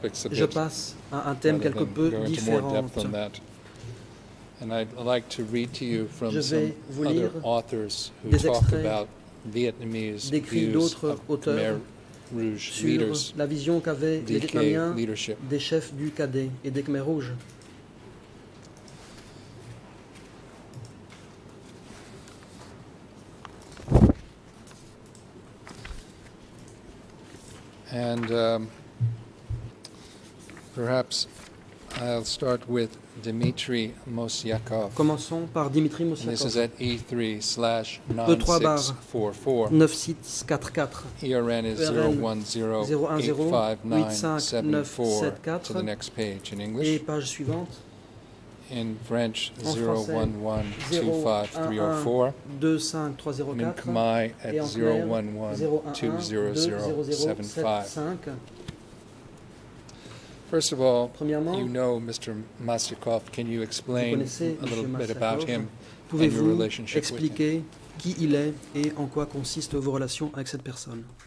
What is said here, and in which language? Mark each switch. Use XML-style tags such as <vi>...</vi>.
<fr>Je passe à un thème quelque peu différent.</fr> <en>And I'd like to read to you from</en> <fr>je vais</fr> <en>some</en> <fr>vous lire</fr> <en>other authors who talk about Vietnamese views of Khmer Rouge leaders,</en> <fr>la vision qu'avaient les Vietnamiens des chefs du KD et des Khmer Rouge.</fr> <en>And perhaps I'll start with Dmitry Mosyakov.</en> <fr>Commençons par Dmitry Mosyakov.</fr> <en>This is at E3/9644. ERN is 010-85974 to the next page in English.</en> <fr>Et page suivante.</fr> <en>In French, 011-25304. In Khmer, at 011-200-75. First of all, you know Mr. Mosyakov. Can you explain a little bit about him and your relationship with him?</en> <fr>Expliquer qui il est et en quoi consistent vos relations avec cette personne.</fr>